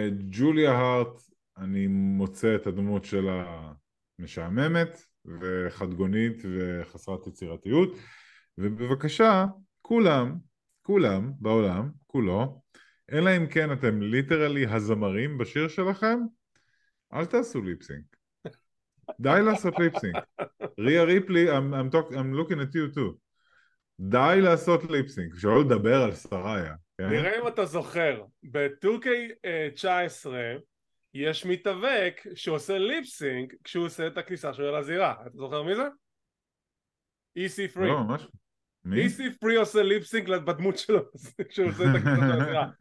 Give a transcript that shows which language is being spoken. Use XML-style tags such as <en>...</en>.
<he>ג'וליה הארט, אני מוצא את הדמות שלה משעממת וחדגונית וחסרת יצירתיות, ובבקשה, כולם, בעולם, כולו, אלא אם כן אתם ליטרלי הזמרים בשיר שלכם, אל תעשו ליפסינק. די לעשות ליפסינק. ריה ריפלי,</he> <en>I'm looking at you too.</en> <he>די לעשות ליפסינק. שלא לדבר על שריה. נראה אם אתה זוכר, ב-2K19 יש מתאבק שעושה ליפסינק כשהוא עושה את הכניסה שלו לזירה. אתה זוכר מי זה? EC3. לא, ממש. EC3 עושה ליפסינק בדמות שלו כשהוא עושה את הכניסה של הזירה.</he>